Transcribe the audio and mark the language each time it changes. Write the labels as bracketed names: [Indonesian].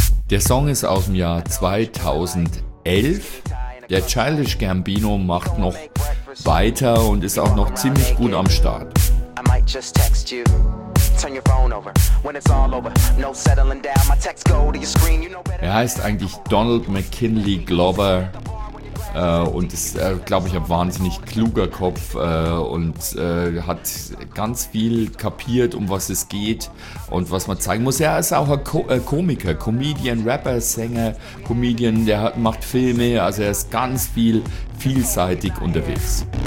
[German] Der Song ist aus dem Jahr 2011. Der Childish Gambino macht noch weiter und ist auch noch ziemlich gut am Start. [English] I might just text you. Turn your phone over when it's all over. No settling down. My text go to your screen. You know better. [German] Er heißt eigentlich Donald McKinley Glover. Und ist, glaube ich, ein wahnsinnig kluger Kopf und hat ganz viel kapiert, um was es geht und was man zeigen muss. Er ist auch ein Komiker, Comedian, Rapper, Sänger, Comedian, der macht Filme, also er ist ganz vielseitig unterwegs.